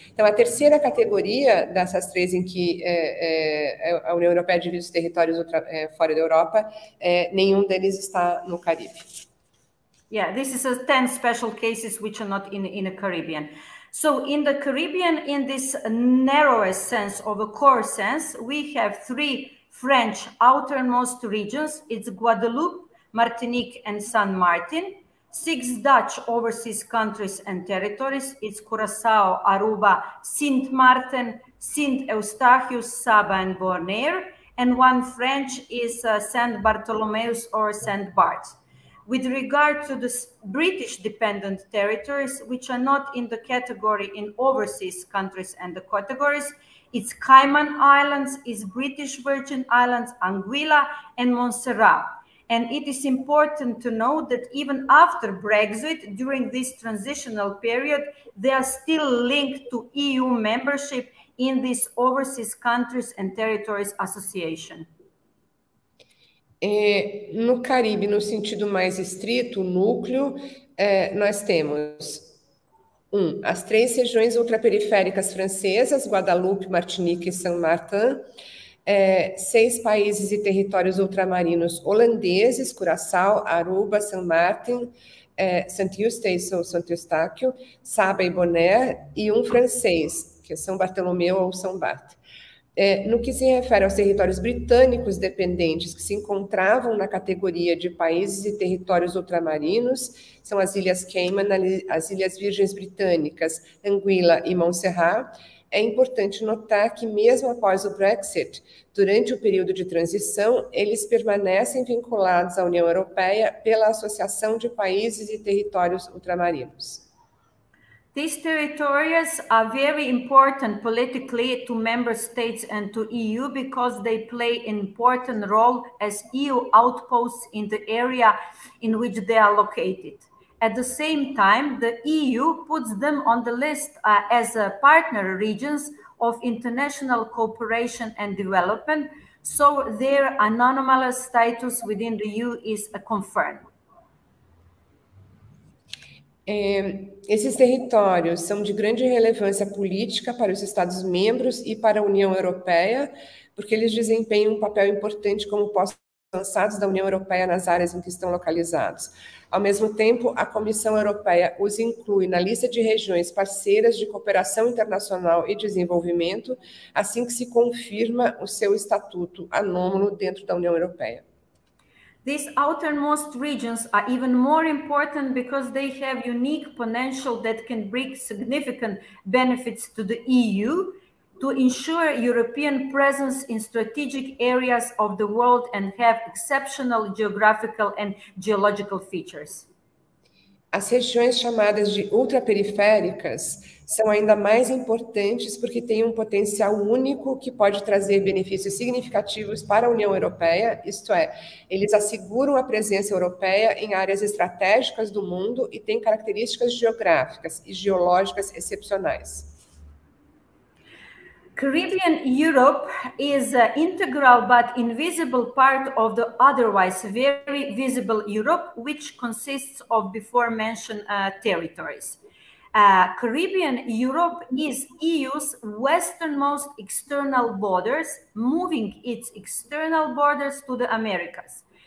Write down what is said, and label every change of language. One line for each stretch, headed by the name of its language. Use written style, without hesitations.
Portuguese: Então, a terceira categoria dessas três em que a União Europeia divide os territórios fora da Europa, nenhum deles está no Caribe.
English: Yeah, this is a 10 special cases which are not in the Caribbean. So in the Caribbean, in this narrowest sense of a core sense, we have three French outermost regions. It's Guadeloupe, Martinique and Saint Martin, six Dutch overseas countries and territories, it's Curaçao, Aruba, Sint Maarten, Sint Eustachius, Saba and Bonaire, and one French is Saint Bartholomew's or Saint Bart's. With regard to the British dependent territories, which are not in the category in overseas countries and the categories, it's Cayman Islands, it's British Virgin Islands, Anguilla and Montserrat. And it is important to know that even after Brexit, during this transitional period, they are still linked to EU membership in this Overseas Countries and Territories Association.
Portuguese: No Caribe, no sentido mais estrito, núcleo, nós temos as três regiões ultraperiféricas francesas, Guadeloupe, Martinique e Saint-Martin. Seis países e territórios ultramarinos holandeses, Curaçao, Aruba, Saint Maarten, Saint-Eustache ou Saint-Eustáquio, Saba e Bonaire, e um francês, que é São Bartolomeu ou São Bart. No que se refere aos territórios britânicos dependentes que se encontravam na categoria de países e territórios ultramarinos, são as Ilhas Cayman, as Ilhas Virgens Britânicas, Anguilla e Montserrat. É importante notar que, mesmo após o Brexit, durante o período de transição, eles permanecem vinculados à União Europeia pela Associação de Países e Territórios Ultramarinos.
English: These territories are very important politically to member states and to EU because they play an important role as EU outposts in the area in which they are located. At the same time, the EU puts them on the list as a partner regions of international cooperation and development, so their anomalous status within the EU is confirmed.
Portuguese: Esses territórios são de grande relevância política para os Estados-membros e para a União Europeia, porque eles desempenham papel importante como postos avançados da União Europeia nas áreas em que estão localizados. Ao mesmo tempo, a Comissão Europeia os inclui na lista de regiões parceiras de cooperação internacional e desenvolvimento, assim que se confirma o seu estatuto anômalo dentro da União Europeia.
English: These outermost regions are even more important because they have unique potential that can bring significant benefits to the EU to ensure European presence in strategic areas of the world and have exceptional geographical and geological features.
Portuguese: As regiões chamadas de ultraperiféricas são ainda mais importantes porque têm um potencial único que pode trazer benefícios significativos para a União Europeia, isto é, eles asseguram a presença europeia em áreas estratégicas do mundo e têm características geográficas e geológicas excepcionais.
English: Caribbean Europe is an integral but invisible part of the otherwise very visible Europe, which consists of before mentioned territories. Caribbean Europe is EU's westernmost external borders, moving its external borders to the Americas.